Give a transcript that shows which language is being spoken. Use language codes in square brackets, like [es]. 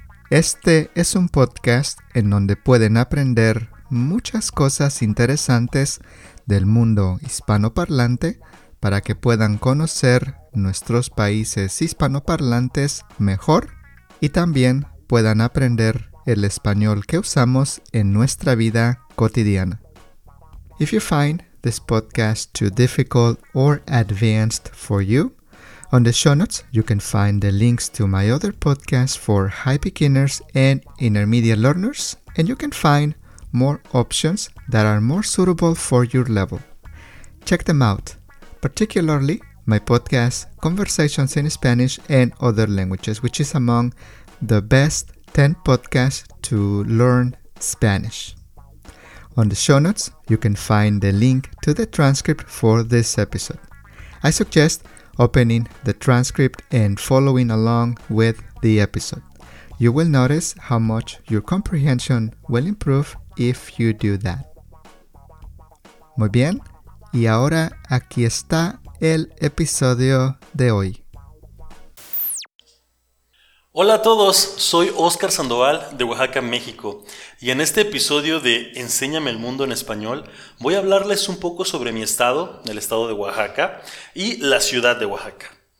[es] Este es un podcast en donde pueden aprender muchas cosas interesantes del mundo hispanoparlante para que puedan conocer nuestros países hispanoparlantes mejor y también puedan aprender el español que usamos en nuestra vida cotidiana. [en] If you find this podcast too difficult or advanced for you, on the show notes you can find the links to my other podcasts for high beginners and intermediate learners, and you can find more options that are more suitable for your level. Check them out, particularly my podcast Conversations in Spanish and Other Languages, which is among the best 10 podcasts to learn Spanish. On the show notes, you can find the link to the transcript for this episode. I suggest opening the transcript and following along with the episode. You will notice how much your comprehension will improve if you do that. [es] Muy bien, y ahora aquí está el episodio de hoy. Hola a todos, soy Óscar Sandoval de Oaxaca, México, y en este episodio de Enséñame el Mundo en Español voy a hablarles un poco sobre mi estado, el estado de Oaxaca, y la ciudad de Oaxaca.